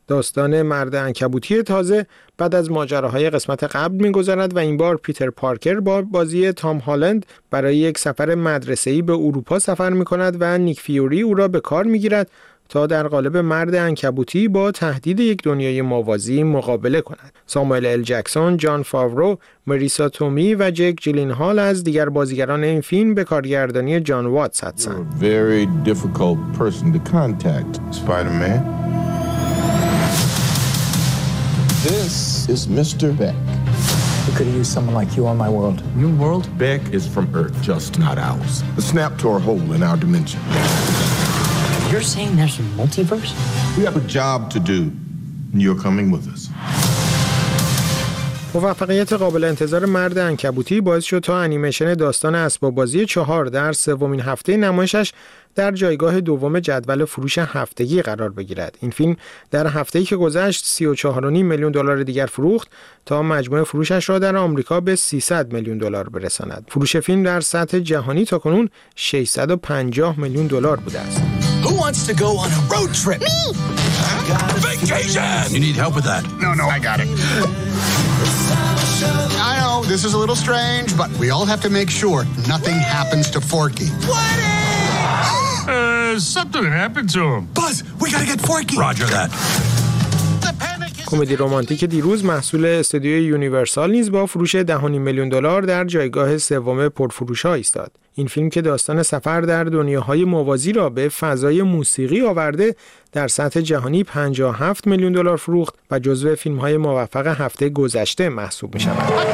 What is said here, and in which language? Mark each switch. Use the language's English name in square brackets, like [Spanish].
[Persian] داستان مرد عنکبوتی تازه بعد از ماجراهای قسمت قبل می‌گذرد و این بار پیتر پارکر با بازی تام هالند برای یک سفر مدرسه‌ای به اروپا سفر می‌کند و نیک فیوری او را به کار می‌گیرد تا در قالب مرد عنکبوتی با تهدید یک دنیای موازی مقابله کند. ساموئل ال جکسون، جان فاورو، مریسا تومی و جک جیلنهال از دیگر بازیگران این فیلم به کارگردانی جان واتس هستند. [English] Very difficult person to contact, Spider-Man. This is Mr. Beck. I could use someone like you on my world. New world? Beck is from Earth, just not ours. The snap tore a hole in our dimension. You're saying there's a multiverse? We have a job to do, and you're coming with us. [Persian] موفقیت قابل انتظار مرد عنکبوتی باعث شد تا انیمیشن داستان اسباب بازی 4 در سومین هفته نمایشش در جایگاه دوم جدول فروش هفتگی قرار بگیرد. این فیلم در هفته‌ای که گذشت 34.5 میلیون دلار دیگر فروخت تا مجموع فروشش را در آمریکا به 300 میلیون دلار برساند. فروش فیلم در سطح جهانی تا کنون 650 میلیون دلار بوده است. [English] Who wants to go on a road trip? Me. Vacation. You need help with that? No, I got it. I know this is a little strange, but we all have to make sure nothing happens to Forky. What? Something happened to him. Buzz, we gotta get Forky. Roger that. [Persian] کمدی رمانتیک دیروز محصول استودیوی یونیورسال نیز با فروش 10.5 میلیون دلار در جایگاه سوم پرفروش‌ها ایستاد. این فیلم که داستان سفر در دنیاهای موازی را به فضای موسیقی آورده، در سطح جهانی 57 میلیون دلار فروخت و جزو فیلم‌های موفق هفته گذشته محسوب می‌شود.